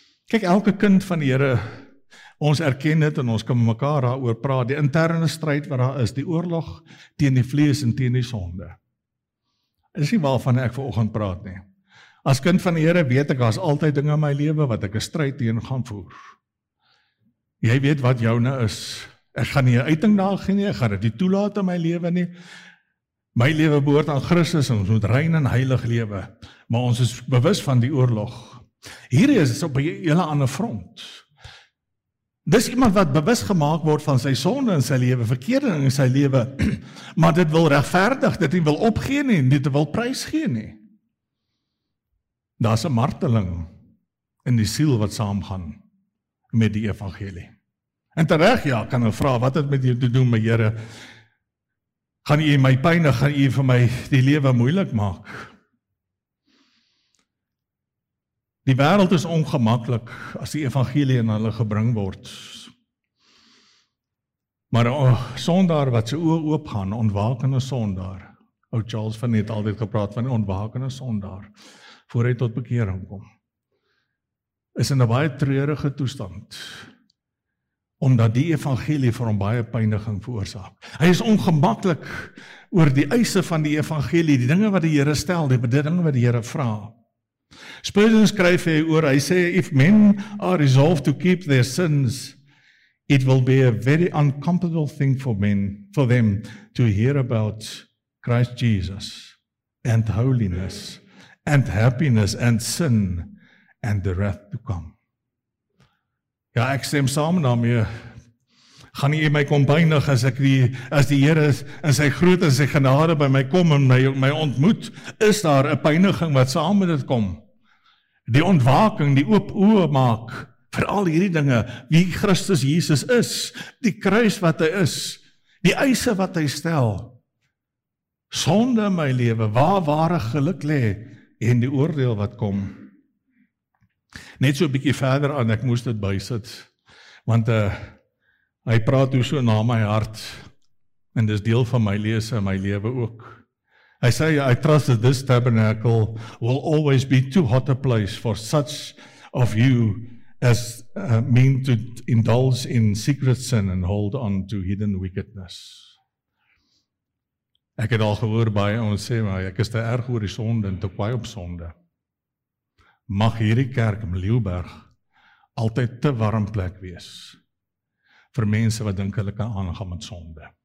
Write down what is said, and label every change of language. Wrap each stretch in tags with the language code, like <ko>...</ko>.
<af>Kyk, elke kind van die Here, ons erken dit en ons kan mekaar daaroor praat, die interne stryd wat daar is, die oorlog teen die vlees en teen die sonde. Is nie waarvan ek vanoggend praat nie. As kind van die Here weet ek, daar's altyd dinge in my lewe wat ek 'n stryd teen gaan voer. Jy weet wat joune is. Ek gaan nie 'n uiting daar gee nie, ek gaan dit nie toelaat in my lewe nie. My lewe behoort aan Christus en ons moet rein en heilig lewe. Maar ons is bewus van die oorlog. Hier is dit op 'n hele ander front. Dis iemand wat bewus gemaak word van sy sonde in sy lewe, verkeerde in sy lewe, maar dit wil regverdig, dit wil opgee nie, dit wil prys gee nie. Daar is 'n marteling in die siel wat saamgaan met die evangelie. En terreg, ja, kan hulle vra, wat het met jou te doen, my Here? Gaan jy my pynig, gaan jy vir my die lewe moeilik maak? Die wêreld is ongemaklik as die evangelie in hulle gebring word. Maar 'n sondaar wat sy oë oopgaan, ontwakende sondaar. Ou Charles Finney het altyd gepraat van die ontwakende sondaar. Voor hy tot bekering kom, is in 'n baie treurige toestand, omdat die evangelie vir hom baie pyniging veroorsaak. Hy is ongemaklik oor die eise van die evangelie, die dinge wat die Here stel, die dinge wat die Here vra. Spurgeon skryf hy oor, hy sê,</af> <en>if men are resolved to keep their sins, it will be a very uncomfortable thing for men, for them to hear about Christ Jesus and holiness and happiness, and sin, and the wrath to come.</en> <af>Ja, ek stem saam daarmee, gaan jy my kom pynig as ek die, as die Here in sy groot en sy genade by my kom en my ontmoet, is daar 'n pyniging wat saam met dit kom. Die ontwaking, die oop oë maak, vir al hierdie dinge, wie Christus Jesus is, die kruis wat hy is, die eise wat hy stel, sonde in my lewe, waar ware geluk lê, en die oordeel wat kom. Net so 'n bietjie verder aan, ek moes dit bysit, want hy praat hoe so na my hart, en dis deel van my lese, my lewe ook.</af> <en>I say, I trust that this tabernacle will always be too hot a place for such of you as mean to indulge in secret sin and hold on to hidden wickedness.</en> <af>Ek het al gehoor baie ons sê, maar ek is te erg oor die sonde en te kwaai op sonde. Mag hierdie kerk in Leeuwberg altyd te warm plek wees vir mense wat dink hulle kan aangaan met sonde.</af>